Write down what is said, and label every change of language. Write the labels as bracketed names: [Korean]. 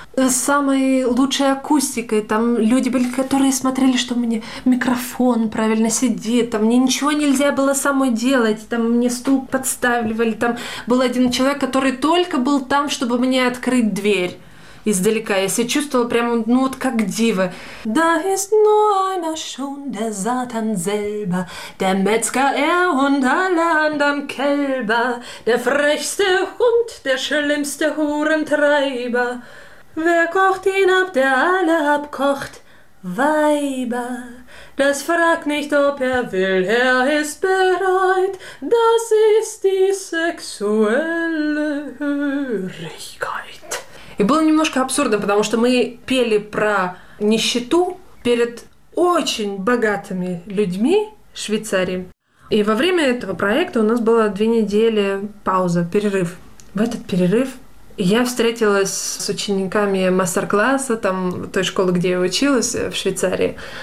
[Russian] С самой лучшей акустикой. Там люди были, которые смотрели, что у меня микрофон правильно сидит. Там мне ничего нельзя было самой делать. Там мне стул подставили. Там был один человек, который только был там, чтобы мне открыть дверь издалека. Я себя чувствовала прямо, ну вот как дива. [German] Da ist nur einer schon der Satan selber, der Metzger und alle anderen Kälber, der frechste Hund, der schlimmste Hurentreiber. Wer kocht ihn ab, der alle abkocht? Weiber, das fragt nicht, ob er will, er ist bereit. Das ist die sexuelle Hörigkeit. [Russian] И было немножко абсурдно, потому что мы пели про нищету перед очень богатыми людьми Швейцарии. И во время этого проекта у нас была 2 недели пауза, перерыв. В этот перерыв я встретилась с учениками мастер-класса, там, той школы, где я училась, в Швейцарии.